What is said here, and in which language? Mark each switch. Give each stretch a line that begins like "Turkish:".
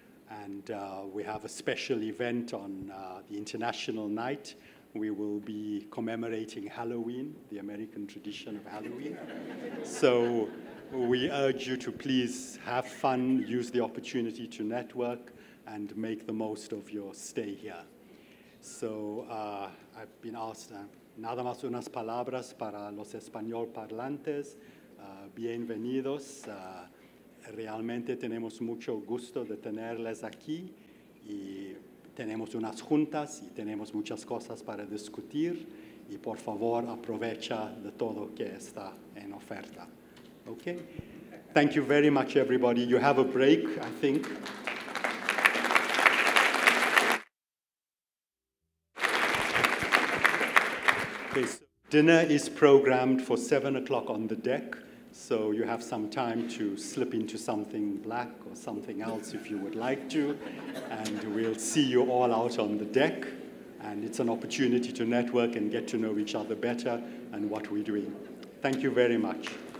English: And we have a special event on the International Night. We will be commemorating Halloween, the American tradition of Halloween. So we urge you to please have fun, use the opportunity to network, and make the most of your stay here. So I've been asked,
Spanish: nada más unas palabras para los español parlantes. Bienvenidos. Realmente tenemos mucho gusto de tenerles aquí. Y tenemos unas juntas y tenemos muchas cosas para discutir. Y por favor, aprovecha de todo que está en oferta.
English: Okay? Thank you very much, everybody. You have a break, I think. Dinner is programmed for 7 o'clock on the deck, so you have some time to slip into something black or something else if you would like to, and we'll see you all out on the deck, and it's an opportunity to network and get to know each other better and what we're doing. Thank you very much.